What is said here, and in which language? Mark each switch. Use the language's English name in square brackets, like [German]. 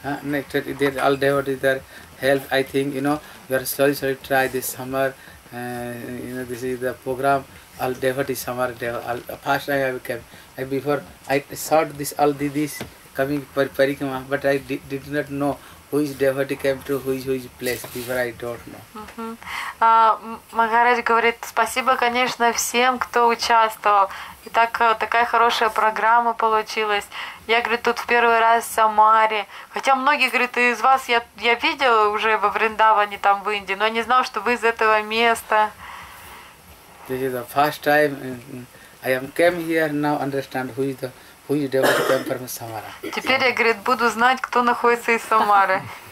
[English] Next, all devotees there help, I think, you know, we are slowly try this summer, you know, this is the program, all devotees summer, first time I came, before I saw this all Didis coming Parikama, but I did not know. Who is devotee came to which place, before I don't know. [Russian] Махарадж говорит, спасибо, конечно, всем, кто участвовал. И так, такая хорошая программа получилась. Я, говорит, тут в первый раз в Самаре. Хотя многие, говорит, из вас я видел уже во Вриндаване, там в Индии, но не знал, что вы из этого места. [English] This is the first time I am came here, now understand who is the... Who is devotee came from Samara? [Russian] Теперь я, говорит, буду знать, кто находится из Самары.